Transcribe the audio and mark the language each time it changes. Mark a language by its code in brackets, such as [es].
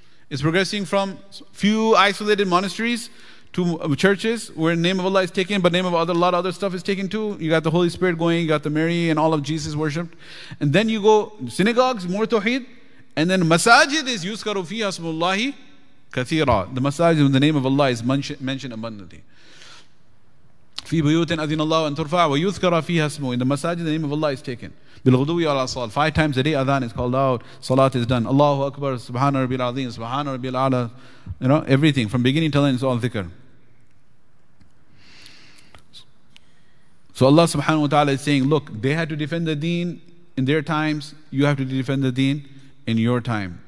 [en] It's progressing from few isolated monasteries to churches where name of Allah is taken, but name of a lot of other stuff is taken too. You got the Holy Spirit going, you got the Mary and all of Jesus worshipped. And then you go synagogues, more tawheed, and then masajid is yuzkaru fiha asmullahi kathira. The masajid in the name of Allah is mentioned abundantly. [ar] في بيوتٍ أذن الله أن ترفع ويذكر فيها اسمه. [en] In the masajid, the name of Allah is taken. [ar] بالغدوي على الصلاة. [en] Five times a day, adhan is called out. Salat is done. Allahu Akbar, Subhana Rabbi al-Azim, Subhana Rabbi al-A'la. You know, everything from beginning till end is all dhikr. So Allah subhanahu wa ta'ala is saying, look, they had to defend the deen in their times, you have to defend the deen in your time.